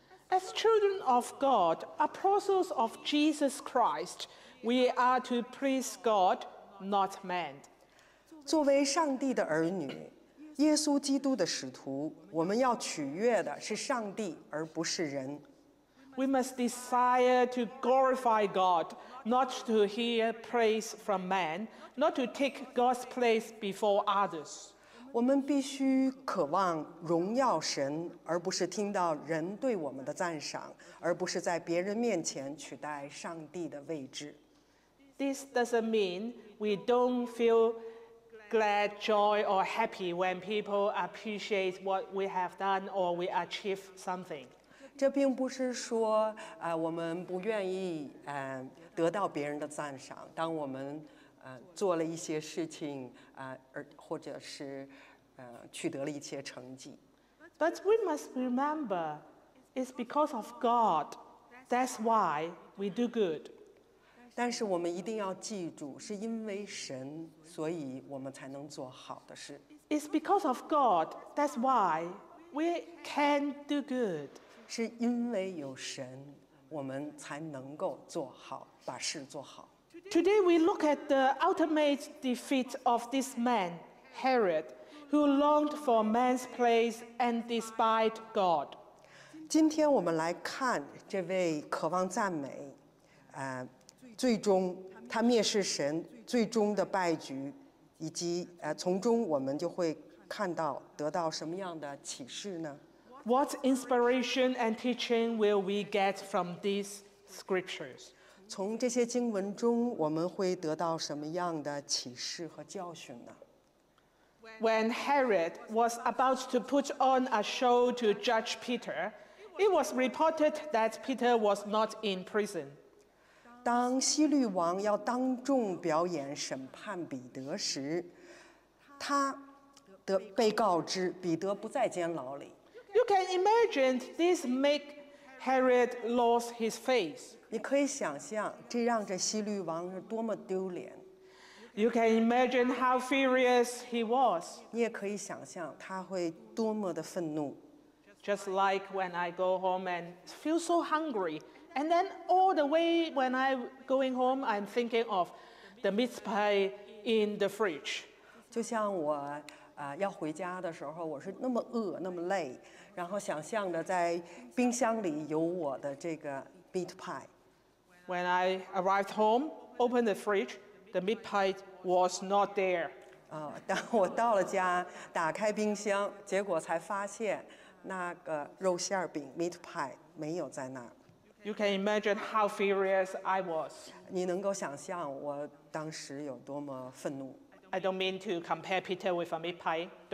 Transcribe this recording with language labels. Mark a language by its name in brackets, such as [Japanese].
[English] As children of God, apostles of Jesus Christ, we are to please God, not man. [Chinese] 作为上帝的儿女。耶稣基督的使徒，我们要取悦的是上帝，而不是人。 [English] We must desire to glorify God, not to hear praise from man, not to take God's place before others. [Chinese] 我们必须渴望荣耀神，而不是听到人对我们的赞赏，而不是在别人面前取代上帝的位置。 [English] This doesn't mean we don't feel. Glad, joy, or happy when people appreciate what we have done or we achieve something. [Chinese] 这并不是说，我们不愿意，得到别人的赞赏，当我们做了一些事情或者是取得了一些成绩。 [English] But we must remember, it's because of God. That's why we do good. [Chinese] 但是我们一定要记住，是因为神，所以我们才能做好的事。 [English] It's because of God. That's why we can do good. [Chinese] 是因为有神，我们才能够做好，把事做好。 [English] Today we look at the ultimate defeat of this man, Herod. Who longed for man's place and despised God? [Chinese] 今天我们来看这位渴望赞美，最终他蔑视神最终的败局，以及从中我们就会看到得到什么样的启示呢 [English] ？What inspiration and teaching will we get from these scriptures? [Chinese] 从这些经文中我们会得到什么样的启示和教训呢？ [English] When Herod was about to put on a show to judge Peter, it was reported that Peter was not in prison. [Chinese] 当希律王要当众表演审判彼得时，他被告知彼得不在监牢里。 [English] You can imagine this make Herod lose his face. [Chinese] 你可以想象这让这希律王是多么丢脸。 [English] You can imagine how furious he was. [Chinese] 你也可以想象他会多么的愤怒。 [English] Just like when I go home and feel so hungry, and then all the way when I'm going home, I'm thinking of the meat pie in the fridge. [Chinese] 就像我要回家的时候，我是那么饿，那么累，然后想象着在冰箱里有我的这个 [English] meat pie. When I arrived home, open the fridge. The meat pie was not there. [Chinese] 当我到了家，打开冰箱，结果才发现那个肉馅饼 [English] meat pie [Chinese] 没有在那。 [English] You can imagine how furious I was. [Chinese] 你能够想象我当时有多么愤怒。 [English] I don't mean to compare Peter with a meat pie.